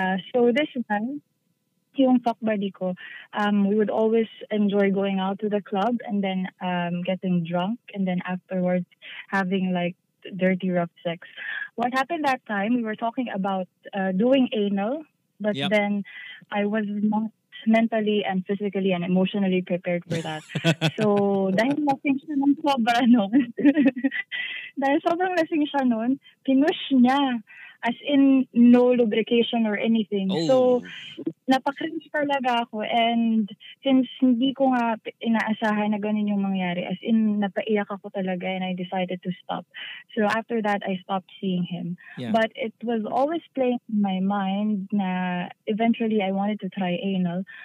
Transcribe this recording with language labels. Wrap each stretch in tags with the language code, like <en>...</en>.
<en>So this man,</en> <tl>yung fuck buddy ko,</tl> <en>we would always enjoy going out to the club and then getting drunk and then afterwards having like dirty rough sex. What happened that time, we were talking about doing anal, but then I was not mentally and physically and emotionally prepared for that.</en> <tl>So, dahil lasing siya nun, sobra nun. Dahil sobrang lasing siya nun, pinush niya.</tl> <en>As in, no lubrication or anything. Oh.</en> <tl>So, napakrinch talaga ako.</tl> <en>And since</en> <tl>hindi ko nga inaasahan na ganun yung mangyari, as in, napaiyak ako talaga</tl> <en>and I decided to stop. So, after that, I stopped seeing him. Yeah. But it was always playing in my mind na eventually I wanted to try anal.</en>